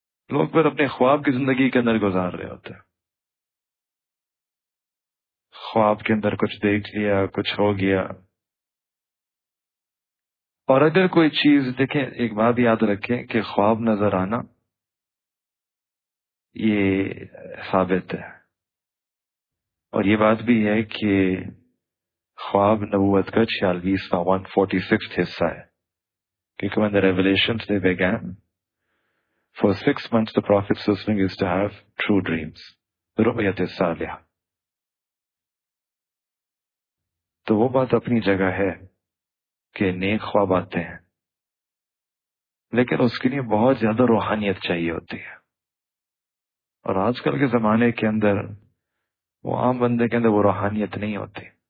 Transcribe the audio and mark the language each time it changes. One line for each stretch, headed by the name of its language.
Urdu: لوگ پھر اپنے خواب کی زندگی کے اندر گزار رہے ہوتے ہیں، خواب کے اندر کچھ دیکھ لیا، کچھ ہو گیا. اور اگر کوئی چیز، دیکھیں ایک بات یاد رکھیں کہ خواب نظر آنا یہ ثابت ہے، اور یہ بات بھی ہے کہ خواب نبوت کا 46واں 146th حصہ ہے, کیونکہ
English: when the revelations they began for 6 months the prophet Susan used to have true dreams
Arabic: رؤیت صالحہ.
Urdu: تو وہ بات اپنی جگہ ہے کہ نیک خواب آتے ہیں, لیکن اس کے لیے بہت زیادہ روحانیت چاہیے ہوتی ہے, اور آج کل کے زمانے کے اندر وہ عام بندے کے اندر وہ روحانیت نہیں ہوتی.